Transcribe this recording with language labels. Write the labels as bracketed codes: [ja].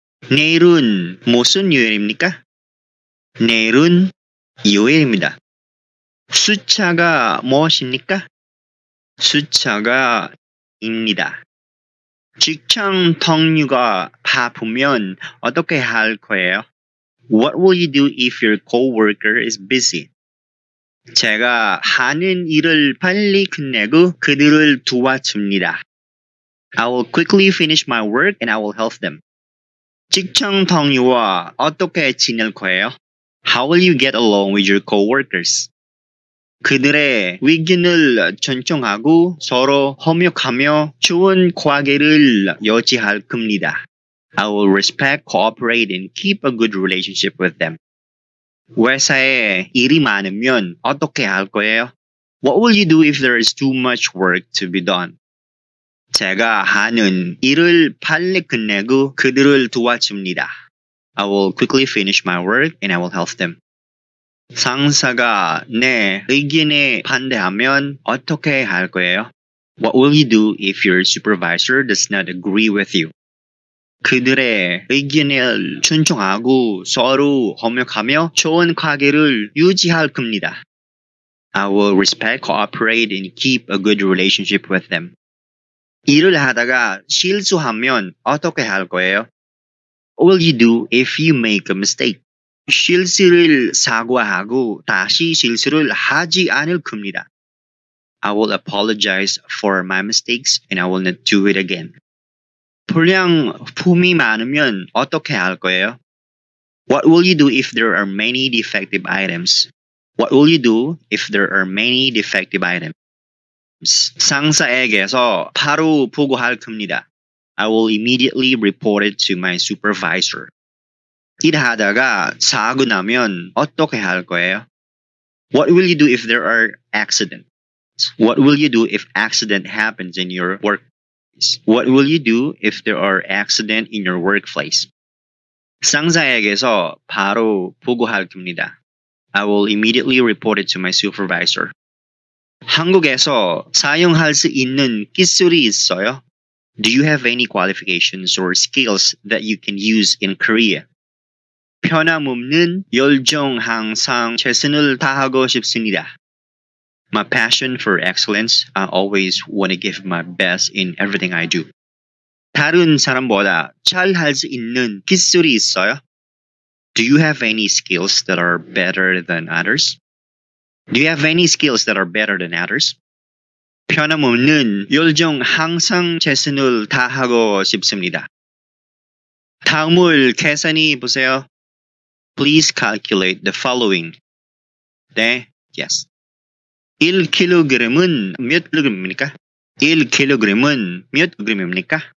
[ko] 내일은 무슨 요일입니까? 내일은 요일입니다. 숫자가 무엇입니까? 숫자가 입니다. 직장 동료가 바쁘면 어떻게 할 거예요? [en] What will you do if your coworker is busy? [ko] 제가 하는 일을 빨리 끝내고 그들을 도와줍니다. [en] I will quickly finish my work and I will help them. [ko] 직장 동료와 어떻게 지낼 거예요? [en] How will you get along with your coworkers? [ko] 그들의 의견을 존중하고 서로 협력하며 좋은 관계를 유지할 겁니다. [en] I will respect, cooperate, and keep a good relationship with them. [ko] 회사에 일이 많으면 어떻게 할 거예요? [en] What will you do if there is too much work to be done? [ko] 제가 하는 일을 빨리 끝내고 그들을 도와줍니다. [en] I will quickly finish my work and I will help them. [ko] 상사가 내 의견에 반대하면 어떻게 할 거예요? [en] What will you do if your supervisor does not agree with you? [ko] 그들의 의견을 존중하고 서로 협력하며 좋은 관계를 유지할 겁니다. [en] I will respect, cooperate, and keep a good relationship with them. [ko] 일을 하다가 실수하면 어떻게 할 거예요? [en] What will you do if you make a mistake? [ko] 실수를 사과하고 다시 실수를 하지 않을 겁니다. [en] I will apologize for my mistakes and I will not do it again. [ko] 불량품이 많으면 어떻게 할 거예요? [en] What will you do if there are many defective items? What will you do if there are many defective items? [ko] 상사에게서 바로 보고할 겁니다. [en] I will immediately report it to my supervisor. [ko] 일하다가 사고 나면 어떻게 할 거예요? [en] What will you do if there are accidents? What will you do if accident happens in your work? What will you do if there are accidents in your workplace? [ko] 상사에게서 바로 보고할 겁니다. [en] I will immediately report it to my supervisor. [ko] 한국에서 사용할 수 있는 기술이 있어요? [en] Do you have any qualifications or skills that you can use in Korea? [ko] 변함없는 열정 항상 최선을 다하고 싶습니다. [en] My passion for excellence, I always want to give my best in everything I do. [ko] 다른 사람보다 잘 할 수 있는 기술이 있어요? [en] Do you have any skills that are better than others? Do you have any skills that are better than others? [ko] 변함없는 열정 항상 최선을 다하고 싶습니다. 다음을 계산해 보세요. [en] Please calculate the following. [ko] 네, [en] yes. [ko] 1kg은 몇 kg입니까? 1kg은 몇 kg입니까?